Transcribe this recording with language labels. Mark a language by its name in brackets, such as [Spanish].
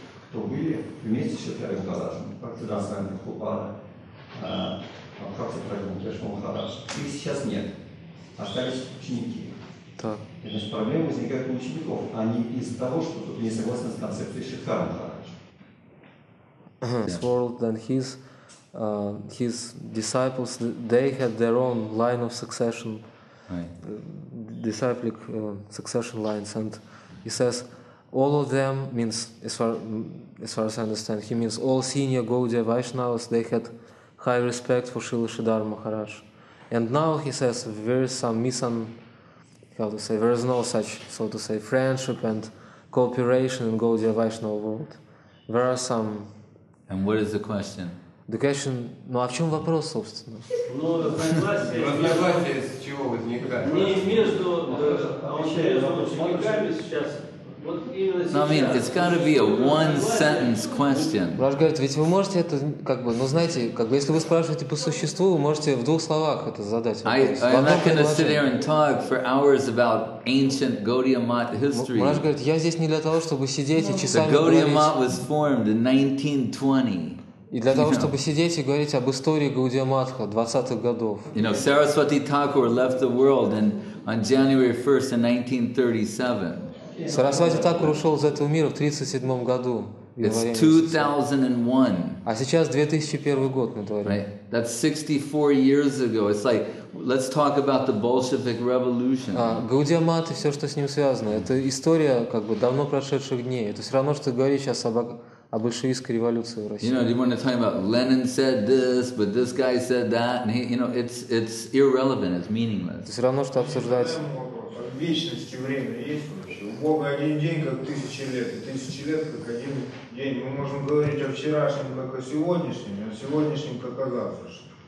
[Russian] кто были вместе с Шатхарой Бхараджами, Бхактидан с вами, Хупада, Абхакса Прагун, Кешма Махарадж, их сейчас нет, остались ученики. Так. И, значит, проблема возникает у учеников, а не из-за того, что кто-то не согласен с концепцией Шатхары Бхараджи. [English] This world and his disciples, they had their own line of succession, right. Disciplic succession lines, and he says all of them means as far as I understand, he means all senior Gaudiya Vaishnavas, they had high respect for Srila Sridhar Maharaj, and now he says there is some there is no such friendship and cooperation in Gaudiya Vaishnava world. There are some. And what is the question? The question, [Russian] ну о чем вопрос, собственно? Ну, согласие. Разногласие с чего возникает? Не между учениками сейчас. Вот именно сейчас. [English] No, I mean, it's got to be a one-sentence question. [Russian] Раш говорит, ведь вы можете это, если вы спрашиваете по существу, вы можете в двух словах это задать. [English] I'm not going to sit here and talk for hours about ancient Gaudiya Math history. [Russian] Раш говорит, я здесь не для того, чтобы сидеть и часами говорить. [English] The Gaudiya Math was formed in 1920. [Russian] И для того, чтобы сидеть и говорить об истории Гаудия Матха 20-х годов. [English] You know, Saraswati Thakur left the world on January 1st in 1937. [Russian] Сарасвати Такур ушел из этого мира в 1937 году. [English] It's 2001. [Russian] А сейчас 2001 год на дворе. [English] Right. That's 64 years ago. It's like, let's talk about the Bolshevik Revolution. [Russian] Гаудия Матха и все, что с ним связано. Это история давно прошедших дней. Это все равно, что говорить сейчас о большевистской революции в России. [English] You know, you want to talk about Lenin said this, but this guy said that, and it's irrelevant, it's meaningless. [Russian] Все равно, что обсуждать. Вечности время есть вообще. У Бога один день, как тысячи лет, и тысячи лет, как один день. Мы можем говорить о вчерашнем, как о сегодняшнем, а о сегодняшнем, как о завтрашнем.